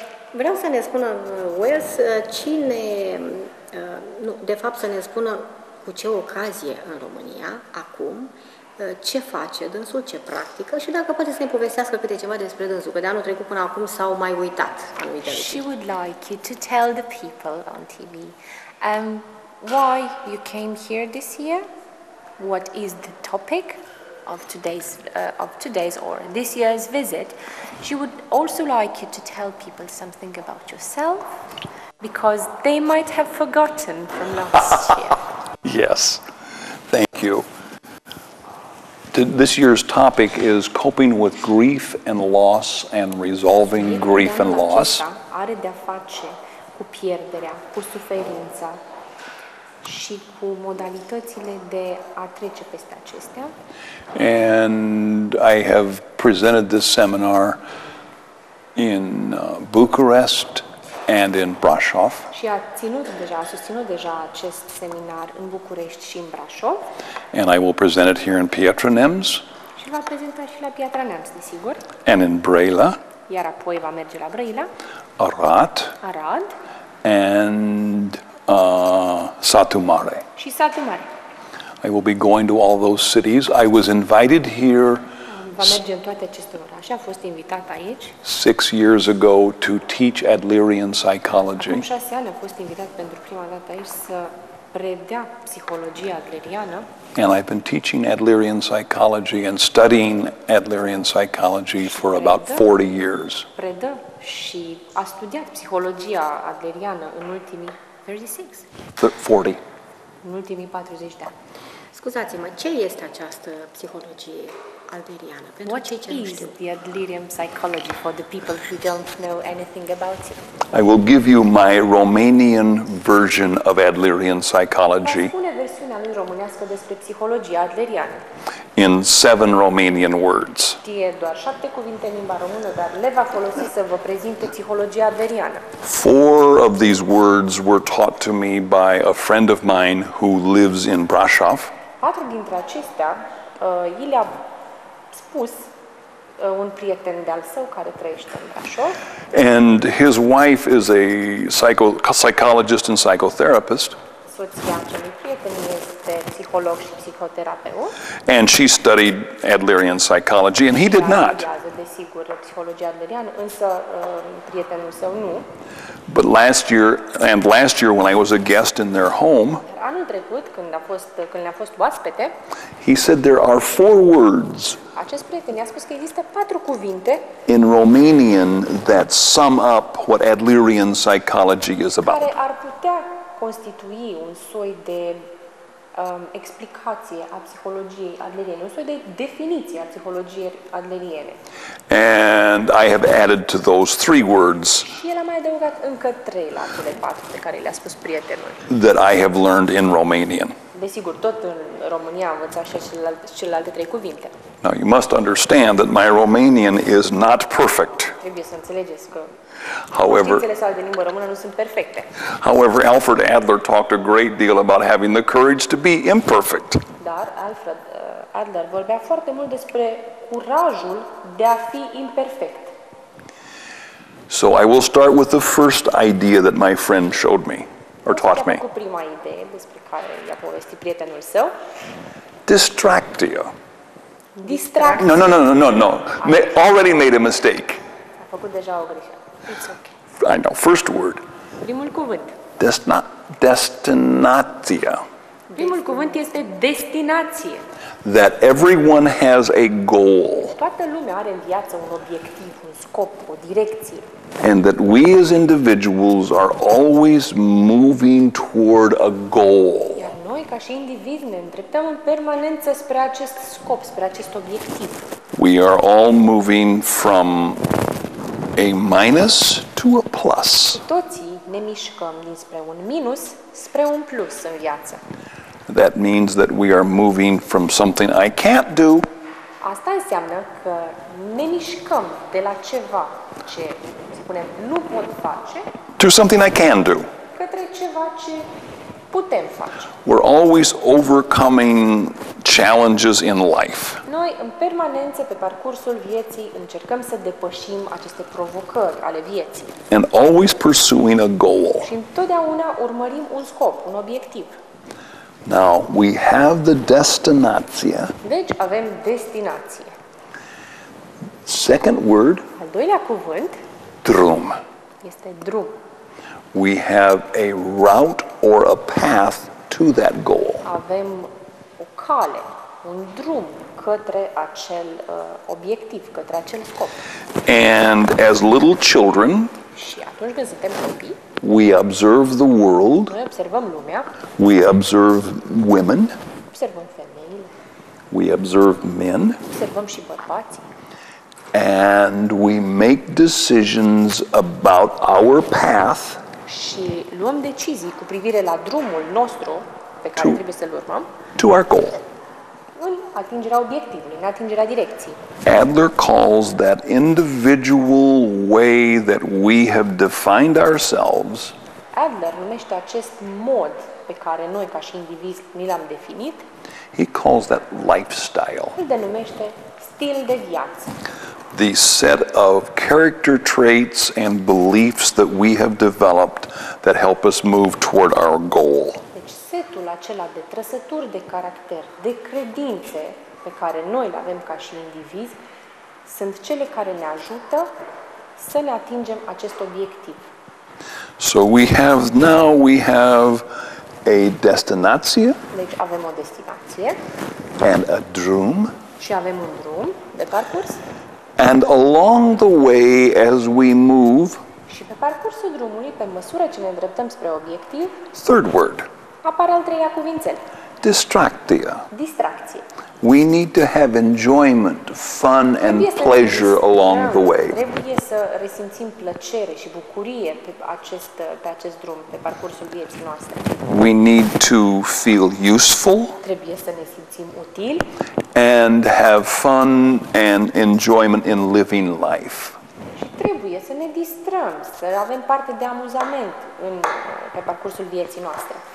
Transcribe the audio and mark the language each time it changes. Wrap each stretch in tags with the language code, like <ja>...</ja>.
<ro>Vreau să ne spună, Wes, cine, nu, de fapt să ne spună cu ce ocazie în România, acum, ce face dânsul, ce practică și dacă poate să ne povestească câte ceva despre dânsul, că de anul trecut până acum s-au mai uitat anumite lucruri.</ro> <en>She would like you to tell the people on TV why you came here this year, what is the topic of today's or this year's visit. She would also like you to tell people something about yourself because they might have forgotten from last year. Yes, thank you. This year's topic is coping with grief and loss and resolving grief and loss.</en> <ro>Are de-a face cu pierderea, cu suferința și cu modalitățile de a trece peste acestea.</ro> <en>And I have presented this seminar in Bucharest and in Brașov.</en> <ro>Și a ținut deja, a susținut deja acest seminar în București și în Brașov.</ro> <en>And I will present it here in Piatra Neamț.</en> <ro>Și va prezenta și la Piatra Neamț, desigur.</ro> <en>And in Brăila.</en> <ro>Iar apoi va merge la Brăila.</ro> <en>Arad. And Satu Mare.</en> <ro>Și Satu Mare.</ro> <en>I will be going to all those cities. I was invited here.</en> <ro>Va merge în toate aceste orașe. A fost invitat aici.</ro> <en>6 years ago to teach Adlerian psychology.</en> <ro>Acum 6 ani a fost invitat pentru prima dată aici să predea psihologia adleriană.</ro> <en>And I've been teaching Adlerian psychology and studying Adlerian psychology for about 40 years.</en> <ro>Predă și a studiat psihologia adleriană în ultimii 40. În ultimii 40 de ani. Scuzați-mă, ce este această psihologie adleriană? Pentru</ro> <en>what</en> <ro>cei ce</ro> <en>is</en> <ro>nu știu?</ro> <en>The Adlerian psychology for the people who don't know anything about it? I will give you my Romanian version of Adlerian psychology.</en> <ro>Spune versiunea lui românească despre psihologia adleriană.</ro> <en>In 7 Romanian words.</en> <ro>Știe doar 7 cuvinte în limba română, dar le va folosi să vă prezinte psihologia adleriană.</ro> <en>4 of these words were taught to me by a friend of mine who lives in Brașov.</en> <ro>4 dintre acestea îi le-a spus un prieten de-al său care trăiește în Brașov.</ro> <en>And his wife is a psychologist and psychotherapist.</en> <ro>Soția acelui prieten este psiholog și psihoterapeut.</ro> <en>And she studied Adlerian psychology and he did not.</en> <ro>Desigur, psihologia adleriană, însă prietenul său nu.</ro> <en>But last year when I was a guest in their home,</en> <ro>anul trecut când le-a fost oaspete,</ro> <en>he said there are 4 words.</en> <ro>Acest prieten i-a spus că există 4 cuvinte</ro> <en>in Romanian that sum up what Adlerian psychology is about.</en> <ro>Care ar putea constitui un soi de explicație a psihologiei adleriene, un soi de definiție a psihologiei adleriene.</ro> <en>And And I have added to those three words that I have learned in Romanian.</en> <ro>Desigur, tot în România am învățat și celelalte trei cuvinte.</ro> <en>Now you must understand that my Romanian is not perfect.</en> <ro>Trebuie să înțelegeți că cunoștințele sale de limba română nu sunt perfecte.</ro> <en>However, Alfred Adler talked a great deal about having the courage to be imperfect.</en> <ro>Dar Alfred Adler vorbea foarte mult despre curajul de a fi imperfect.</ro> <en>So I will start with the first idea that my friend showed me. Or taught me.</en> <ro>Prima idee despre care i-a povestit prietenul său. Distractio. Distractio.</ro> <en>No. Already made a mistake.</en> <ro>A făcut deja o greșeală.</ro> <en>It's okay. I know. First word.</en> <ro>Primul cuvânt. Destinația. Primul cuvânt este destinație.</ro> <en>That everyone has a goal.</en> <ro>Toată lumea are în viață un obiectiv, un scop, o direcție.</ro> <en>And that we as individuals are always moving toward a goal.</en> <ro>Iar noi ca și indivizi ne îndreptăm în permanență spre acest scop, spre acest obiectiv.</ro> <en>We are all moving from a minus to a plus.</en> <ro>Toții ne mișcăm dinspre un minus spre un plus în viață.</ro> <en>That means that we are moving from something I can't do.</en> <ro>Asta înseamnă că ne mișcăm de la ceva ce, spunem, nu pot face.</ro> <en>To something I can do.</en> <ro>Către ceva ce putem face.</ro> <en>We're always overcoming challenges in life.</en> <ro>Noi în permanență pe parcursul vieții încercăm să depășim aceste provocări ale vieții.</ro> <en>And always pursuing a goal.</en> <ro>Și întotdeauna urmărim un scop, un obiectiv.</ro> <en>Now we have the destinația.</en> <ro>Deci avem destinație.</ro> <en>Second word.</en> <ro>Al doilea cuvânt. Drum. Este drum.</ro> <en>We have a route or a path to that goal.</en> <ro>Avem o cale, un drum către acel obiectiv, către acel scop.</ro> <en>And as little children,</en> <ro>și atunci când suntem copii,</ro> <en>we observe the world.</en> <ro>Noi observăm lumea.</ro> <en>We observe women.</en> <ro>Observăm femeile.</ro> <en>We observe men.</en> <ro>Observăm și bărbații.</ro> <en>And we make decisions about our path.</en> <ro>Și luăm decizii cu privire la drumul nostru pe care trebuie să-l urmăm.</ro> <en>To our goal.</en> <ro>În atingerea obiectivului, în atingerea direcției.</ro> <en>Adler calls that individual way that we have defined ourselves.</en> <ro>Adler numește acest mod pe care noi ca și indivizi ni l-am definit.</ro> <en>He calls that lifestyle.</en> <ro>Îl denumește stil de viață.</ro> <en>The set of character traits and beliefs that we have developed that help us move toward our goal.</en> <ro>Setul acela de trăsături de caracter, de credințe pe care noi le avem ca și indivizi, sunt cele care ne ajută să ne atingem acest obiectiv.</ro> <en>So we have now we have a destinație.</en> <ro>Deci avem o destinație.</ro> <en>And a drum.</en> <ro>Și avem un drum de parcurs.</ro> <en>And along the way as we move.</en> <ro>Și pe parcursul drumului, pe măsură ce ne îndreptăm spre obiectiv.</ro> <en>Third word.</en> <ro>Apare al treia cuvințel. Distractia. Distracție.</ro> <en>We need to have enjoyment, fun and pleasure along the way.</en> <ro>Trebuie să resimțim plăcere și bucurie pe acest drum, pe parcursul vieții noastre.</ro> <en>We need to feel useful.</en> <ro>Trebuie să ne simțim utili.</ro> <en>And have fun and enjoyment in living life.</en> <ro>Trebuie să ne distrăm, să avem parte de amuzament pe parcursul vieții noastre.</ro>